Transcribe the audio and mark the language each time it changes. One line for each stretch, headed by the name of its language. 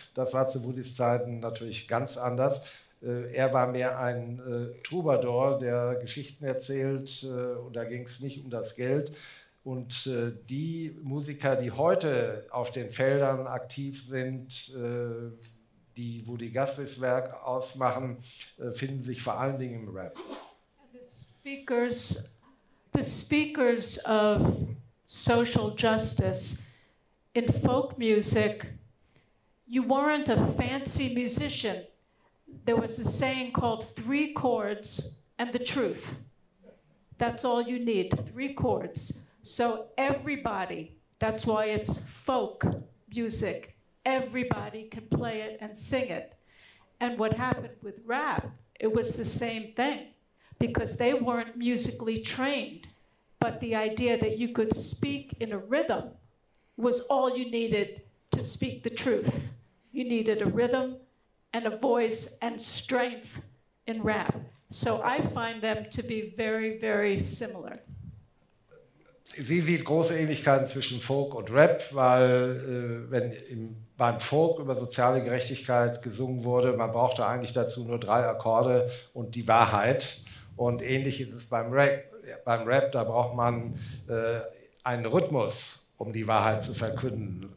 German: Das war zu Woodys Zeiten natürlich ganz anders. Er war mehr ein Troubadour, der Geschichten erzählt und da ging es nicht um das Geld. Und die Musiker, die heute auf den Feldern aktiv sind, die Woody Guthrie's Werk ausmachen, finden sich vor allen Dingen im Rap.
English: The speakers of social justice in folk music, you weren't a fancy musician. There was a saying called three chords and the truth. That's all you need, three chords. So everybody, that's why it's folk music, everybody can play it and sing it. And what happened with rap, it was the same thing, because they weren't musically trained, but the idea that you could speak in a rhythm was all you needed to speak the truth. You needed a rhythm and a voice and strength in rap. So I find them to be very, very similar.
German: Sie sieht große Ähnlichkeiten zwischen Folk und Rap, weil wenn beim Folk über soziale Gerechtigkeit gesungen wurde, man brauchte eigentlich dazu nur drei Akkorde und die Wahrheit. Und ähnlich ist es beim Rap, da braucht man einen Rhythmus, um die Wahrheit zu verkünden.